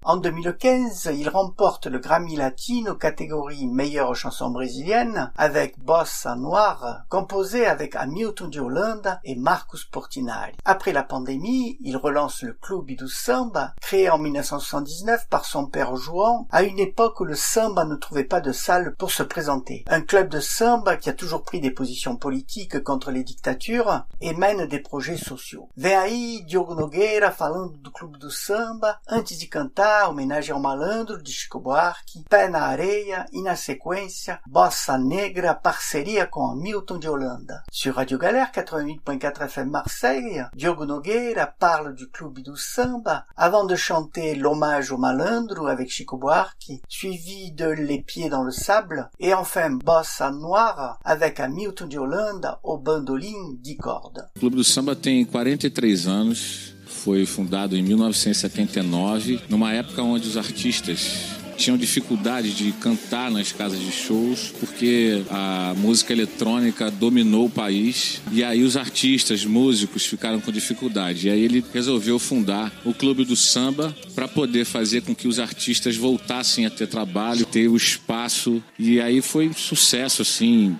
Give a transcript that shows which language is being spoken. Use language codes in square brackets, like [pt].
[fr] En 2015, il remporte le Grammy Latino catégorie meilleure chanson brésilienne avec Bossa Noire, composé avec Hamilton de Holanda et Marcos Portinari. Après la pandémie, il relance le Club do Samba, créé en 1979 par son père Juan, à une époque où le samba ne trouvait pas de salle pour se présenter. Un club de samba qui a toujours pris des positions politiques contre les dictatures [pt] literatura e mena de projetos sociais. Vem aí Diogo Nogueira falando do Clube do Samba, antes de cantar, homenagem ao malandro de Chico Buarque, Pé na Areia e, na sequência, Bossa Negra, parceria com Milton de Holanda. [fr] Sur Radio Galère 88.4 FM Marseille, Diogo Nogueira parle du Clube du Samba avant de chanter l'hommage au malandro avec Chico Buarque, suivi de Les Pieds dans le Sable et enfin Bossa Noire avec Milton de Holanda au bandolim de corda. [pt] O Clube do Samba tem 43 anos, foi fundado em 1979, numa época onde os artistas tinham dificuldade de cantar nas casas de shows, porque a música eletrônica dominou o país, e aí os artistas, músicos, ficaram com dificuldade. E aí ele resolveu fundar o Clube do Samba para poder fazer com que os artistas voltassem a ter trabalho, ter o espaço, e aí foi sucesso, assim.